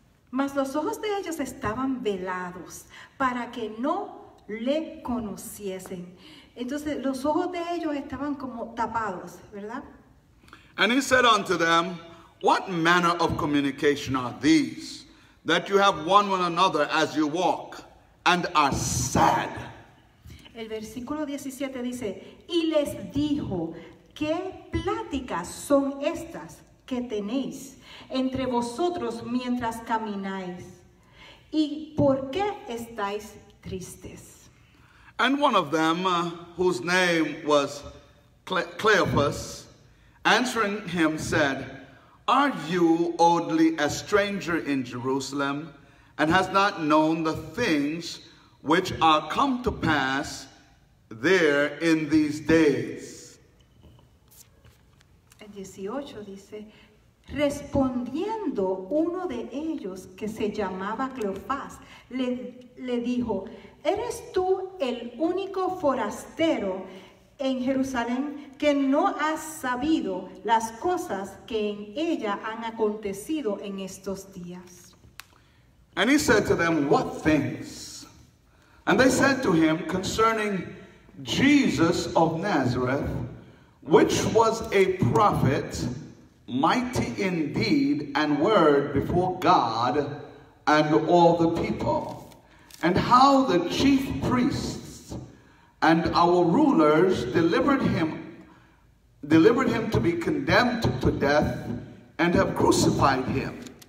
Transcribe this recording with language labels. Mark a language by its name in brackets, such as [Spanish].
[Spanish] Mas los ojos de ellos estaban velados para que no le conociesen. Entonces, los ojos de ellos estaban como tapados, ¿verdad? [English] And he said unto them, what manner of communication are these that you have one with another as you walk and are sad? [Spanish] El versículo 17 dice, y les dijo, ¿qué pláticas son estas que tenéis entre vosotros mientras camináis? ¿Y por qué estáis tristes? [English] And one of them, whose name was Cleopas, answering him said, are you only a stranger in Jerusalem and has not known the things which are come to pass there in these days? [Spanish] El 18 dice, respondiendo uno de ellos que se llamaba Cleofás, le dijo, ¿eres tú el único forastero en Jerusalén que no has sabido las cosas que en ella han acontecido en estos días? [English] And he said to them, what things? And they said to him, concerning Jesus of Nazareth, which was a prophet, mighty in deed and word before God and all the people, and how the chief priests and our rulers delivered him to be condemned to death and have crucified him.